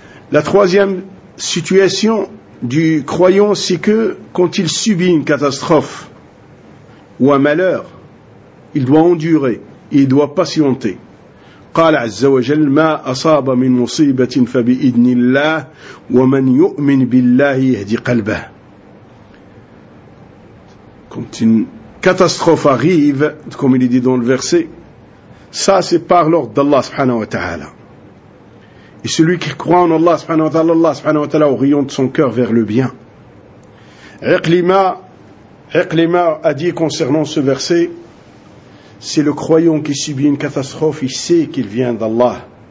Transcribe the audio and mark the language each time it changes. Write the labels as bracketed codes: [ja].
[fr] La troisième situation du croyant, c'est que quand il subit une catastrophe ou un malheur, il doit endurer, il doit patienter. [ar] قال عز وجل ما أصاب من مصيبة فبإذن الله ومن يؤمن بالله يهدي قلبه. [fr] Quand une catastrophe arrive, comme il est dit dans le verset, ça c'est par l'ordre d'Allah subhanahu wa ta'ala. Et celui qui croit en Allah subhanahu wa ta'ala, Allah subhanahu wa ta'ala oriente son cœur vers le bien. Iqlima a dit concernant ce verset, c'est le croyant qui subit une catastrophe, il sait qu'il vient d'Allah.